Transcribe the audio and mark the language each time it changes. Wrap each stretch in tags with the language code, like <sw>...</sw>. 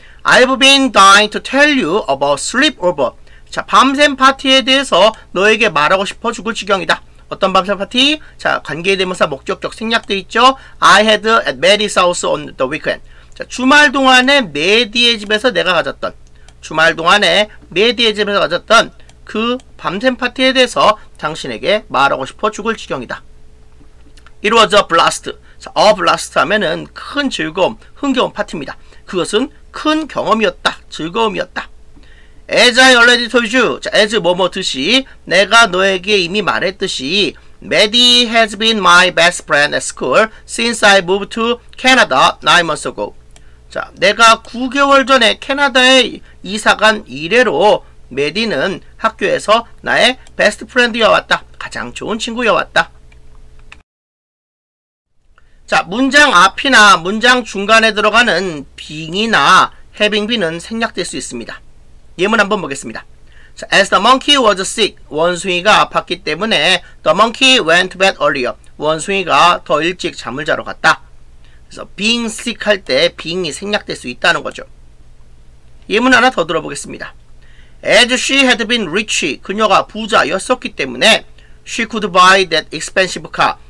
<en>I've been dying to tell you about sleepover.</en> <ko>자, 밤샘 파티에 대해서 너에게 말하고 싶어 죽을 지경이다. 어떤 밤샘 파티? 자, 관계대명사 목적격 생략돼 있죠.</ko> <en>I had at Maddie's house on the weekend.</en> <ko>자, 주말 동안에 메디의 집에서 내가 가졌던 주말 동안에 메디의 집에서 가졌던 그 밤샘 파티에 대해서 당신에게 말하고 싶어 죽을 지경이다. It was a blast. 자, a blast 하면은 큰 즐거움, 흥겨운 파티입니다. 그것은 큰 경험이었다, 즐거움이었다.</ko> <en>As I already told you, 자, as 뭐뭐 듯이 내가 너에게 이미 말했듯이 Maddie has been my best friend at school since I moved to Canada 9 months ago.</en> <ko>자, 내가 9개월 전에 캐나다에 이사간 이래로 메디는 학교에서 나의 베스트 프렌드여왔다. 가장 좋은 친구여왔다. 자, 문장 앞이나 문장 중간에 들어가는 being이나 having been은 생략될 수 있습니다. 예문 한번 보겠습니다.</ko> <en>As the monkey was sick, 원숭이가 아팠기 때문에 the monkey went to bed earlier.</en> <ko>원숭이가 더 일찍 잠을 자러 갔다. 그래서 being sick 할 때 being이 생략될 수 있다는 거죠. 예문 하나 더 들어보겠습니다.</ko> <en>As she had been rich, 그녀가 부자였었기 때문에 she could buy that expensive car.</en>